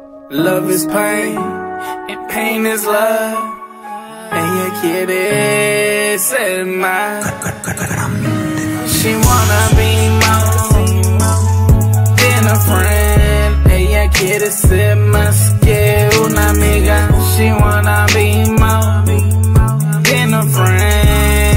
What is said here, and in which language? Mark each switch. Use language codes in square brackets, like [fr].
[en] Love is pain, and pain is love. And you get it, said mine. She wanna be more than a friend. [es] Ella quiere ser más que una amiga. [en] She wanna be more than a friend.